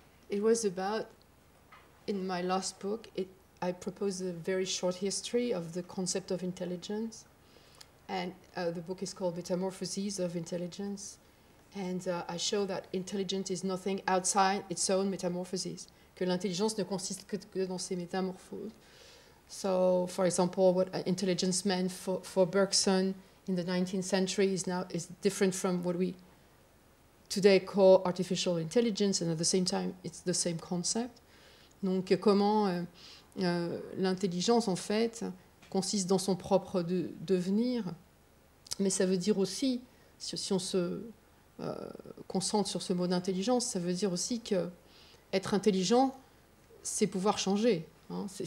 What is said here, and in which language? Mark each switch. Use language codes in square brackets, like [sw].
[en] It was about, in my last book, I proposed a very short history of the concept of intelligence. And the book is called Metamorphoses of Intelligence. And I show that intelligence is nothing outside its own metamorphoses. [fr] Que l'intelligence ne consiste que dans ses métamorphoses. [en] So, for example, what intelligence meant for Bergson in the 19th century is different from what we today call artificial intelligence, and at the same time, it's the same concept. [fr] Donc, comment l'intelligence, en fait, consiste dans son propre devenir. Mais ça veut dire aussi, si on se concentre sur ce mot d'intelligence, ça veut dire aussi que être intelligent, c'est pouvoir changer. Hein.